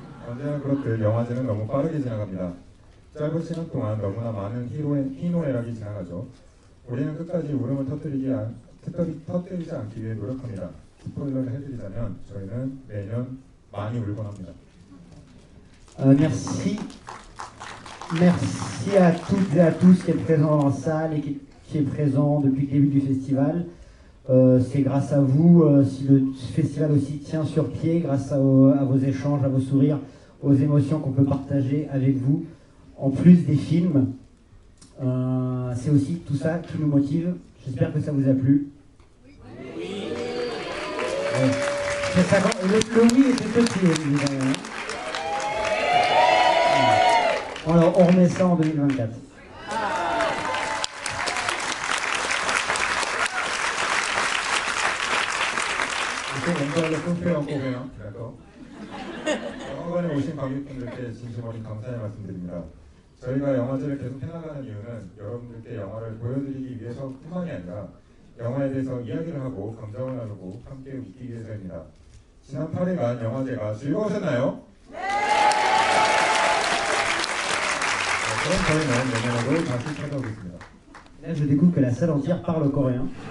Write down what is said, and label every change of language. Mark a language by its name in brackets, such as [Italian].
[Korean] 언제나 그렇듯 영화제는 너무 빠르게 지나갑니다. 짧은 시간 동안 너무나 많은 희노애락이 지나가죠. 우리는 끝까지 울음을 터뜨리지 않기 위해 노력합니다. 스포일러를 해드리자면 저희는 매년 많이 울곤 합니다. [French] Merci. Merci à toutes et à tous qui êtes présents dans la salle et qui est présent depuis le début du festival. C'est grâce à vous si le festival aussi tient sur pied, grâce à vos échanges, à vos sourires, aux émotions qu'on peut partager avec vous, en plus des films. C'est aussi tout ça qui nous motive. J'espère que ça vous a plu. Oui. Ouais. C'est ça, le oui était petit, évidemment. Alors, on remet ça en 2024. On va le confier en coréen, d'accord. [Korean] 한국에 오신 관객분들께 진심으로 감사의 말씀드립니다. 저희가 영화제를 계속 해나가는 이유는 여러분들께 영화를 보여드리기 위해서 뿐만이 아니라 영화에 대해서 이야기를 하고 감정을 나누고 함께 웃기 위해서입니다. 지난 8일간 영화제가 즐거우셨나요? 네! 그럼 저희는 내년에도 다시 찾아오겠습니다. [French] Je découvre que la salle entière parle coréen.